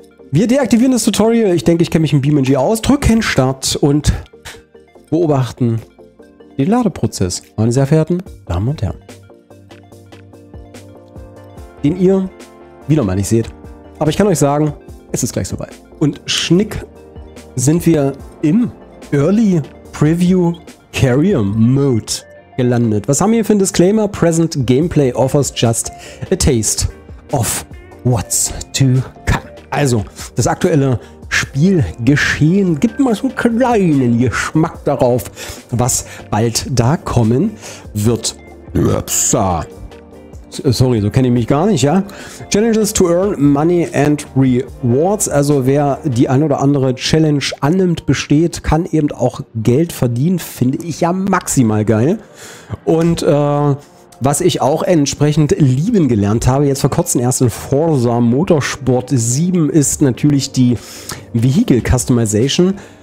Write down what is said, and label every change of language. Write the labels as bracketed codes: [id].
[de] Wir deaktivieren das Tutorial. Ich denke, ich kenne mich im BeamNG aus. Drücken Start und beobachten den Ladeprozess. Meine sehr verehrten Damen und Herren. den ihr wieder mal nicht seht. Aber ich kann euch sagen, es ist gleich soweit. Und schnick sind wir im Early Preview Carrier Mode gelandet. Was haben wir für ein Disclaimer? [en] Present Gameplay offers just a taste of what's to come. [de] Also, das aktuelle Spielgeschehen gibt mal so einen kleinen Geschmack darauf, was bald da kommen wird. Upsa. Sorry, so kenne ich mich gar nicht, ja? [en] Challenges to earn money and rewards. [de] Also wer die ein oder andere Challenge annimmt, besteht, kann eben auch Geld verdienen. Finde ich ja maximal geil. Und was ich auch entsprechend lieben gelernt habe, jetzt vor kurzem erst in Forza Motorsport 7, ist natürlich die Vehicle Customization.